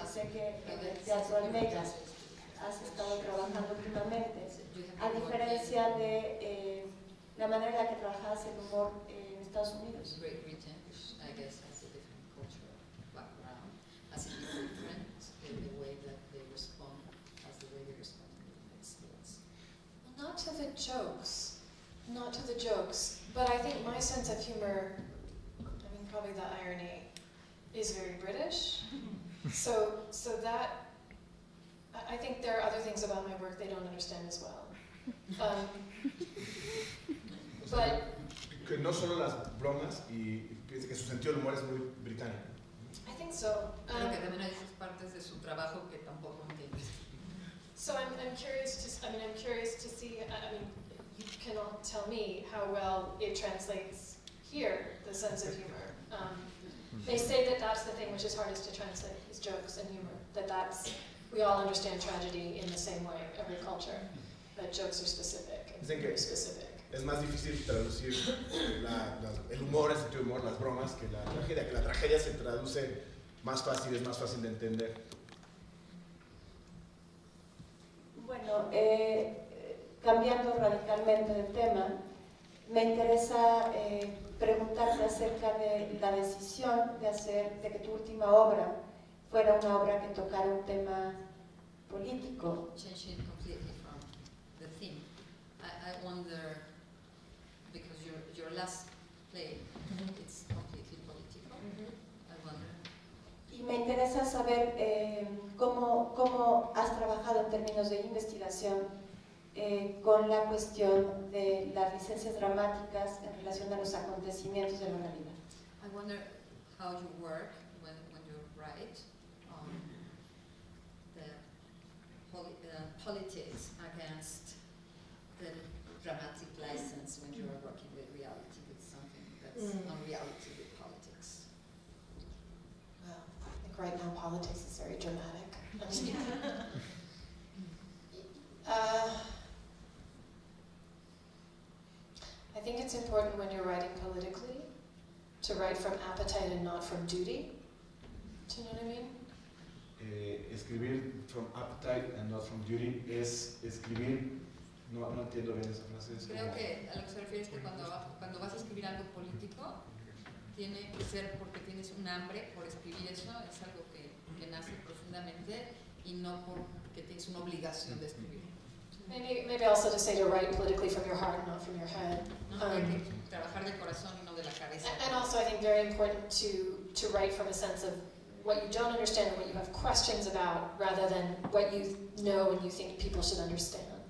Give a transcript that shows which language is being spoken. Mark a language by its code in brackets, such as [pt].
[es] Sé que ya tú al medias has estado trabajando últimamente, a diferencia de la manera en la que trabajas el humor en Estados Unidos. [en] Great Britain, which I guess has a different cultural background, has a different in the way that they respond, as the way they respond in the United States. Well, not to the jokes, but I think my sense of humor, probably the irony, is very British. So that, I think there are other things about my work they don't understand as well. But [es] que no solo las bromas y piensa que su sentido del humor es muy británico. [en] I think so. [es] Que también hay esas partes de su trabajo que tampoco entiende. [en] So I'm curious to see. I mean, you cannot tell me how well it translates here, the sense of humor. They say that that's the thing which is hardest to translate, is jokes and humor. That's, we all understand tragedy in the same way, every culture. But jokes are specific, very specific. [es] Es más difícil traducir el humor, el sentido de humor, las bromas, que la tragedia. Que la tragedia se traduce más fácil, es más fácil de entender. Bueno, cambiando radicalmente de tema, me interesa preguntarte acerca de la decisión de que tu última obra fuera una obra que tocara un tema político. [en] Changing completely from the theme, I wonder, because your last play, it's completely political. Mm-hmm. I wonder. [es] Y me interesa saber cómo has trabajado en términos de investigación con la cuestión de las licencias dramáticas en relación a los acontecimientos de la realidad. [en] I wonder how you work when you write the politics against the dramatic license when you are working with reality, with something that's not reality, with politics. politics is very dramatic. I think it's important when you're writing politically to write from appetite and not from duty. Do you know what I mean? [es] Escribir [en] from appetite and not from duty [es] es escribir. No, no entiendo bien esa frase. Es creo que a lo que se refiere es que cuando vas a escribir algo político, tiene que ser porque tienes un hambre por escribir eso, es algo que nace profundamente y no porque tienes una obligación de escribir. [en] Maybe also to say to write politically from your heart, not from your head. [es] Trabajar del corazón y no de la cabeza. [en] And also I think very important to write from a sense of what you don't understand and what you have questions about, rather than what you know and you think people should understand.